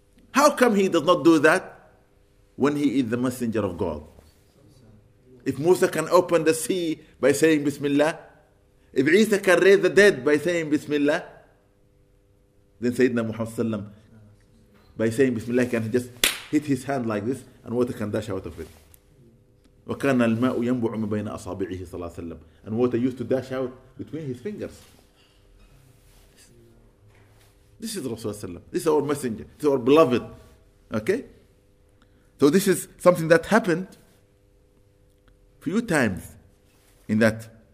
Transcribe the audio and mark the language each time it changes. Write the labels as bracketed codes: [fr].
[en] How come he does not do that when he is the messenger of God? If Musa can open the sea by saying Bismillah, if Isa can raise the dead by saying Bismillah, then Sayyidina Muhammad by saying Bismillah can just hit his hand like this and water can dash out of it. [ar] وكان الماء ينبع من بين أصابعه صلى الله عليه وسلم. [en] And water used to dash out between his fingers. This is Rasulullah. This is our messenger. This is our beloved. Okay? So this is something that happened few times in that.